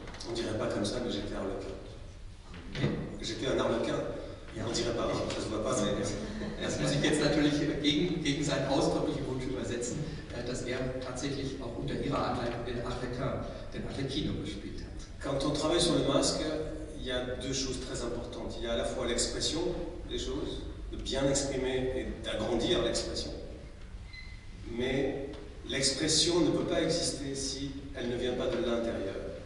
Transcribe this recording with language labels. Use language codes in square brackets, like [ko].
[fr] On dirait pas comme ça, mais j'étais Harlequin. J'étais un Harlequin. [de] Ja, und ihre das muss ich jetzt natürlich gegen seinen ausdrücklichen Wunsch übersetzen, dass er tatsächlich auch unter ihrer Anleitung den Arlecchino gespielt hat. [fr] Quand on travaille sur le masque, il y a deux choses très importantes. Il y a à la fois l'expression des choses, de bien exprimer et d'agrandir l'expression. Mais l'expression ne peut pas exister si elle ne vient pas de l'intérieur.